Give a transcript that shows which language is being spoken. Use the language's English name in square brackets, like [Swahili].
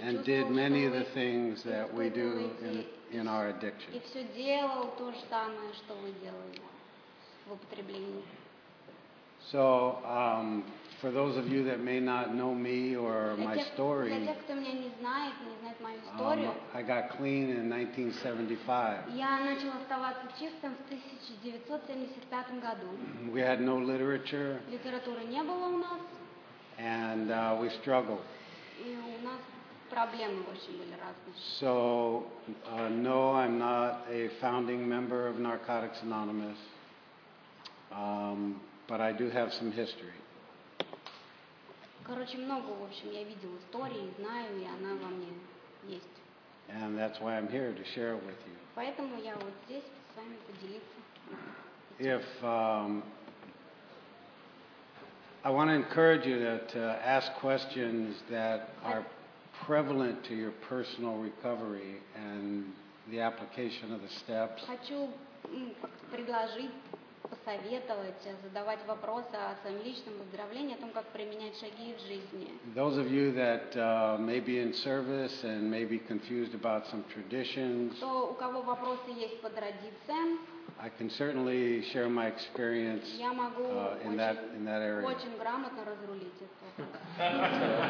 [English] And did many of the things that we do in our addiction. [Russian] И все делал то же самое, что вы делали в употреблении. [English] So, for those of you that may not know me or my story, [Russian] для тех, кто меня не знает, не знает мою историю, [English] I got clean in 1975. [Russian] Я начал оставаться чистым в 1975 году. [English] We had no literature. [Russian] Литературы не было у нас. [English] And we struggled. [Russian] И у нас проблемы очень были разные. [English] So, no, I'm not a founding member of Narcotics Anonymous. But I do have some history. [Russian] Короче, много, в общем, я видел истории, знаю, и она во мне есть. [English] And that's why I'm here to share it with you. [Russian] Поэтому я вот здесь с вами поделиться. [English] If I want to encourage you to ask questions that are prevalent to your personal recovery and the application of the steps. [Russian] Хочу предложить посоветовать, задавать вопросы о своем личном выздоровлении, о том, как применять шаги в жизни. [English] Those of you that may be in service and may be confused about some traditions. [Russian] Кто, у кого вопросы есть по традициям? [English] I can certainly share my experience. [Russian] Я могу [English] in that area. [Russian] Очень грамотно разрулить это.